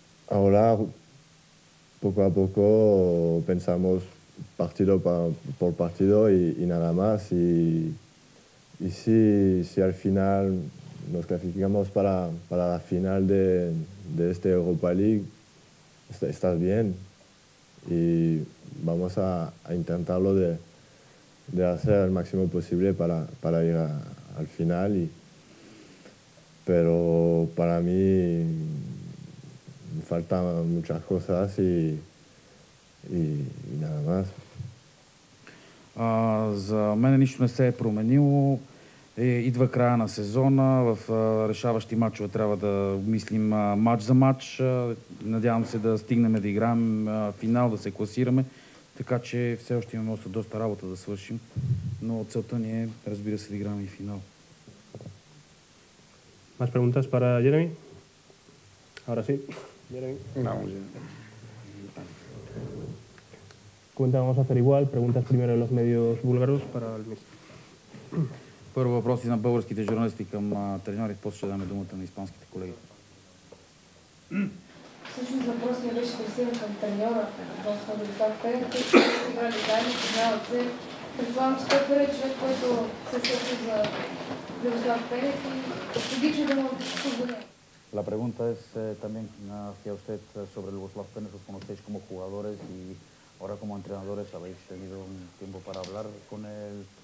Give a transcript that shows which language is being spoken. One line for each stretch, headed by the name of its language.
Spanish: ahora poco a poco pensamos partido por partido y nada más y si al final nos clasificamos para la final de este Europa League, estás bien y vamos a intentarlo de hacer el máximo posible para ir al final. Pero para mí faltan muchas cosas y nada más.
Bulgarian: За мен нищо не се е променило. Идва края на сезона, в решаващи матчове трябва да мислим матч за матч. Надявам се да стигнем да играем финал, да се класираме, така че все още имаме доста работа да свършим, но целта ни е, разбира се, да играем и финал.
Spanish: Más preguntas para Jeremy? Ahora sí. Jeremy. Vamos, Cuenta, vamos a hacer igual. Preguntas primero de los medios búlgaros para el mister.
Bulgarian: Първо въпроси на българските журналисти към треньори, после ще даме думата на испанските колеги. Всъщност въпросът ми беше пресиран към треньора, относно Дорислав Пенев, който играли заедно, познават се. Предполагам, че той е първият човек, който се сърши за Дорислав Пенев и логично да му отговори.
Spanish: La pregunta es también hacia usted sobre Dorislav Pénez. Os conocéis como jugadores y ahora como entrenadores habéis tenido un tiempo para hablar con él.